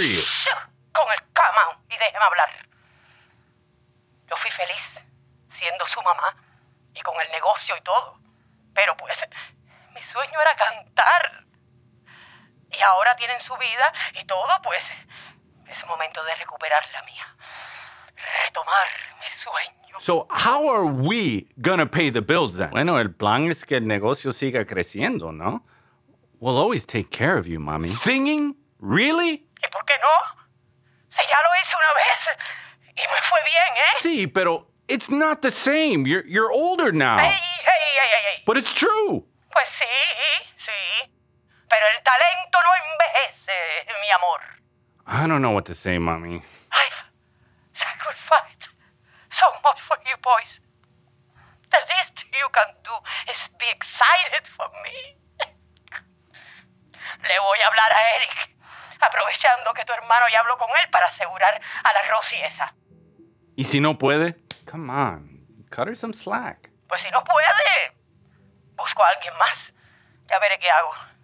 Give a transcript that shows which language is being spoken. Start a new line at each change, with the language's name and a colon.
Spanish: Shh, con el
English: come on
Spanish: y déjeme hablar. Yo fui feliz siendo su mamá y con el negocio y todo. Pero pues, mi sueño era cantar. Y ahora tienen su vida y todo, pues, es momento de recuperar la mía. Retomar mi sueño.
English: So, how are we gonna pay the bills then?
Spanish: Bueno, el plan es que el negocio siga creciendo, ¿no?
English: We'll always take care of you, mommy. Singing? Really?
Spanish: ¿Y por qué no? Si ya lo hice una vez y me fue bien, ¿eh? Sí, pero
English: it's not the same. You're older now. Hey. But it's true.
Spanish: Pues sí, sí. Pero el talento no envejece, mi amor.
English: I don't know what to say, mommy. I've sacrificed so much for you boys. The least you can do is be excited for me.
Spanish: Le voy a hablar a Eric, aprovechando que tu hermano ya habló con él para asegurar a la Rosy esa. ¿Y si no puede?
English: Come on, cut her some slack.
Spanish: Pues si no puede, busco a alguien más. Ya veré qué hago.